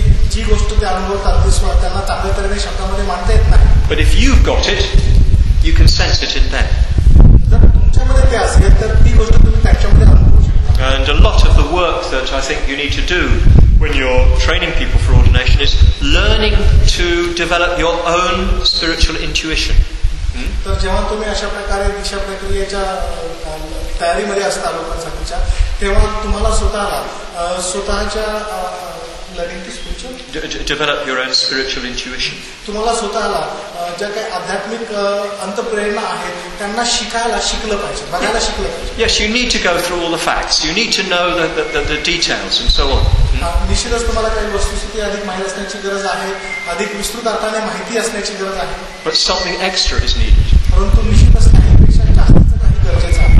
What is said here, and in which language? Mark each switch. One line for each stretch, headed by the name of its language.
Marathi: जी गोष्ट ते अनुभवतात ती त्यांना चांगल्या तऱ्हेने शब्दामध्ये मांडता येत नाही.
English: But if you've got it, you can sense it in them.
Marathi: जर तुमच्यामध्ये ते असेल तर ती गोष्ट तुम्ही त्यांच्यामध्ये अनुभवू शकता.
English: And a lot of the work that I think you need to do when you're training people for ordination is learning to develop your own spiritual intuition.
Marathi: तर जेव्हा तुम्ही अशा प्रकारे दीक्षा प्रक्रियेच्या तयारीमध्ये असता लोकांसाठीच्या, तेव्हा तुम्हाला स्वतःच्या
English: develop your own spiritual intuition.
Marathi: तुम्हाला स्वतःला ज्या काही आध्यात्मिक अंतप्रेरणा आहेत त्यांना शिकायला शिकलं पाहिजे, बघायला शिकलं पाहिजे.
English: Yes, you need to go through all the facts. You need to know the details and so on.
Marathi: निश्चितच तुम्हाला काही वस्तुस्थिती अधिक माहीत असण्याची गरज आहे, अधिक विस्तृत अर्थाने माहिती असण्याची गरज आहे.
English: But something extra is needed.
Marathi: परंतु निश्चितच काहीपेक्षा जास्तच काही गरजेचं आहे.